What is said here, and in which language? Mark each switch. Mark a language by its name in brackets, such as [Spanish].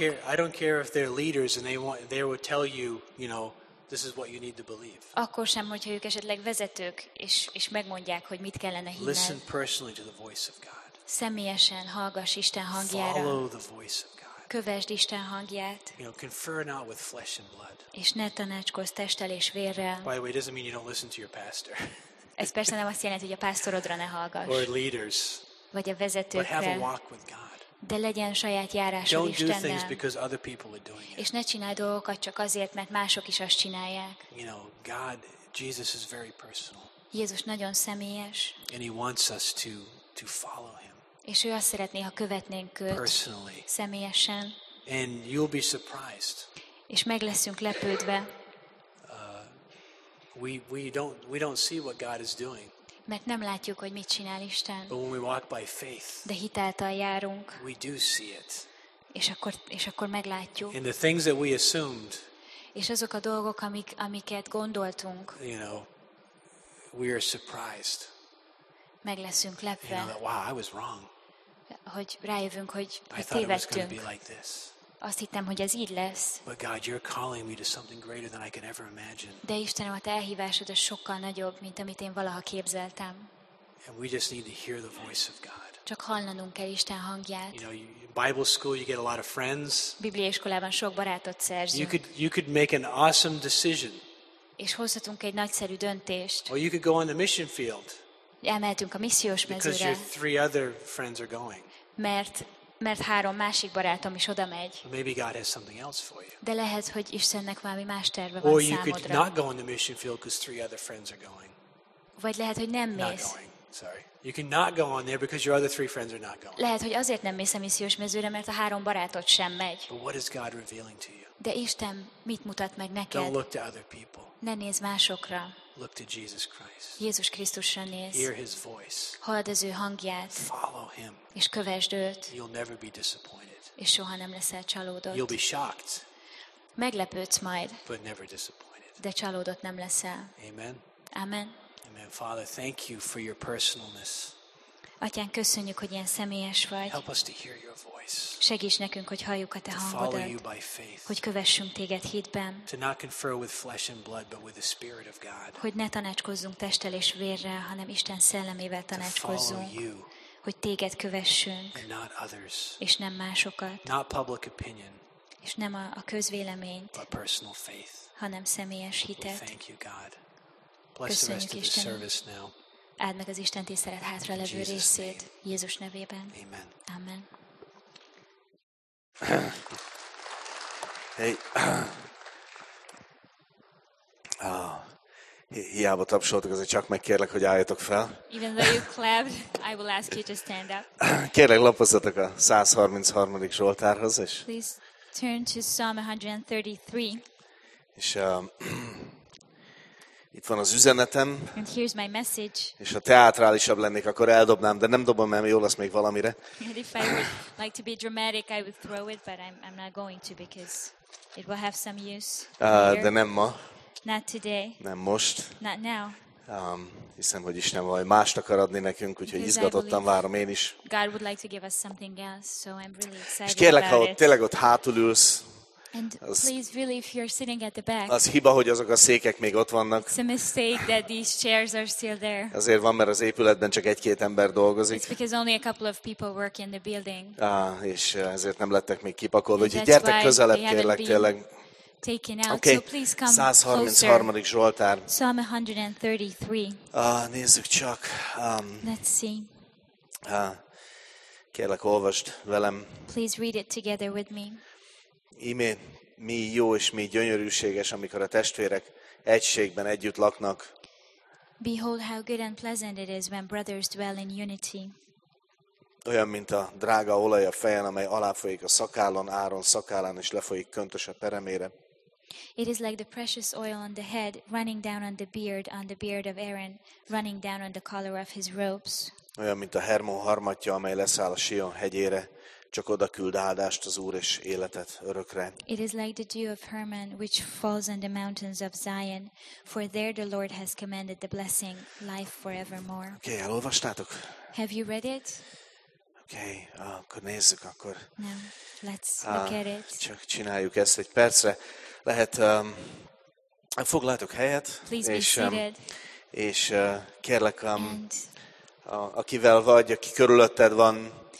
[English] I don't care if they're leaders and they would tell you, you know, this is what you need to believe. [Hungarian] Akkor sem, hogyha ők esetleg vezetők és megmondják, hogy mit kellene hinned. [English] Listen personally to the voice of God. [Hungarian] Személyesen hallgass Isten hangjára. [English] Follow the voice of God. [Hungarian] Kövesd Isten hangját. [English] You know, confer not with flesh and blood. [Hungarian] És ne tanácskozz testtel és vérrel. [English] By the way, it doesn't mean you don't listen to your pastor. [Hungarian] Ez persze nem azt jelenti, hogy a pásztorodra ne hallgass. [English] Or leaders. [Hungarian] Vagy a vezetőkre. [English] But have a walk with God. [Hungarian] De legyen saját járásod Istennel. [English] Don't do things because other people are doing it. [Hungarian] És ne csinálj dolgokat csak azért, mert mások is azt csinálják. [English] You know, God, Jesus is very personal. [Hungarian] Jézus nagyon személyes. [English] And he wants us to follow him. [Hungarian] És ő azt szeretné, ha követnénk őt. [English] Personally. [Hungarian] Személyesen. [English] And you'll be surprised. [Hungarian] És meg leszünk lepődve. [English] We don't see what God is doing. [Hungarian] Mert nem látjuk, hogy mit csinál Isten. [English] But when we walk by faith, [Hungarian] de hitáltal járunk. [English] We do see it. [Hungarian] És akkor meglátjuk. [English] And the things that we assumed, [Hungarian] és azok a dolgok, amiket gondoltunk, [English] you know, we are surprised. [Hungarian] Meg leszünk lepve. [English] You know, wow, I was wrong. [Hungarian] hogy rájövünk, hogy tévedtünk. Azt hittem, hogy ez így lesz. [English] But God, you're calling me to something greater than I could ever imagine. [Hungarian] De Istenem, a te elhívásod az sokkal nagyobb, mint amit én valaha képzeltem. [English] And we just need to hear the voice of God. [Hungarian] Csak hallanunk kell Isten hangját. [English] You know, in Bible school you get a lot of friends. [Hungarian] Bibliai iskolában sok barátot szerzünk. [English] You could make an awesome decision. [Hungarian] És hozhatunk egy nagyszerű döntést. [English] Or you could go on the mission field. [Hungarian] Elmehetünk a missziós mezőre. [English] Because your three other friends are going. [Hungarian] Mert három másik barátom is oda megy. [English] Maybe God has something else for you. [Hungarian] De lehet, hogy Istennek valami más terve van [English] or [Hungarian] számodra. [English] Or you could not go on the mission field because three other friends are going. [Hungarian] Vagy lehet, hogy nem mész. [English] Not going. Sorry. You cannot go on there because your other three friends are not going. [Hungarian] Lehet, hogy azért nem mész a missziós mezőre, mert a három barátod sem megy. [English] But what is God revealing to you? [Hungarian] De Isten mit mutat meg neked? [English] Don't look to other people. [Hungarian] Ne nézz másokra. [English] Look to Jesus Christ. [Hungarian] Jézus Krisztusra néz. [English] Hear his voice. [Hungarian] Hallod az ő hangját. [English] Follow him. [Hungarian] És kövesd őt. [English] You'll never be disappointed. [Hungarian] És soha nem leszel csalódott. [English] You'll be shocked. [Hungarian] Meglepődsz majd. [English] But never disappointed. [Hungarian] De csalódott nem leszel. [English] Amen. [Hungarian] Amen. [English] Amen. Father, thank you for your personalness. [Hungarian] Atyán, köszönjük, hogy ilyen személyes vagy. [English] Help us to hear your voice. [Hungarian] Segíts nekünk, hogy halljuk a te hangodat. Hogy kövessünk téged hitben. [English] To not confer with flesh and blood, but with the Spirit of God. [Hungarian] Hogy ne tanácskozzunk testtel és vérrel, hanem Isten szellemével tanácskozzunk. Hogy téged kövessünk. [English] And not others. [Hungarian] És nem másokat. [English] Not public opinion. [Hungarian] És nem a közvéleményt. [English] But personal faith. [Hungarian] Hanem személyes hitet. [English] We thank you, God. Bless the rest of the service now. [Hungarian] Áld meg az Isten tisztelet hátra levő részét Jézus nevében. [English] Amen. [Hungarian] Amen. [English] Hey. [Hungarian] Hiába tapsoltak, azért csak megkérlek, hogy álljatok fel. [English] Even though you clapped, I will ask you to stand up. [Hungarian] Kérlek, lapozzatok a 133. Zsoltárhoz, és... [English] Please turn to Psalm 133. [Hungarian] És... Itt van az üzenetem. [English] And here's my message. [Hungarian] És ha teátrálisabb lennék, akkor eldobnám, de nem dobom el, jól lesz még valamire. [English] And if I would like to be dramatic, I would throw it, but I'm not going to because it will have some use. [Hungarian] De nem ma. [English] Not today. [Hungarian] Nem most. [English] Not now. [Hungarian] Hiszem, hogy Isten valami mást akar adni nekünk, úgyhogy izgatottan várom én is. [English] God would like to give us something else, so I'm really excited about it. [Hungarian] És kérlek, ha ott, tényleg ott hátul ülsz, [English] and please, really, if you're sitting at the back. [Hungarian] Az hiba, hogy azok a székek még ott vannak. [English] It's a mistake that these chairs are still there. [Hungarian] Azért van, mert az épületben csak egy-két ember dolgozik. [English] It's because only a couple of people work in the building. [Hungarian] És ezért nem lettek még kipakolva, úgyhogy gyertek közelebb, kérlek, tényleg. [English] Taken out. Okay. So please come 133. closer. [Hungarian] Zsoltár. [English] Psalm 133. [Hungarian] Nézzük csak. [English] Let's see. [Hungarian] Kérlek, olvasd velem. [English] Please read it together with me. [Hungarian] Íme, mi jó és mi gyönyörűséges, amikor a testvérek egységben együtt laknak. [English] Behold how good and pleasant it is when brothers dwell in unity. [Hungarian] Olyan, mint a drága olaj a fején, amely aláfolyik a szakállon, Áron szakállán, és lefolyik köntös a peremére. [English] It is like the precious oil on the head, running down on the beard of Aaron, running down on the collar of his robes. [Hungarian] Olyan, mint a Hermon harmatja, amely leszáll a Sion hegyére, csak oda küld áldást az Úr és életet örökre. [English] It is like the dew of Hermon which falls on the mountains of Zion, for there the Lord has commanded the blessing, life forevermore. [Hungarian] Okay, elolvastátok? [English] Have you read it? [Hungarian] Okay, akkor nézzük akkor. [English] No, let's look at it. [Hungarian] Csak csináljuk ezt egy percre. Lehet, foglaltok helyet. [English] Please és, be seated. [Hungarian] És kérlek, akivel vagy, aki körülötted van,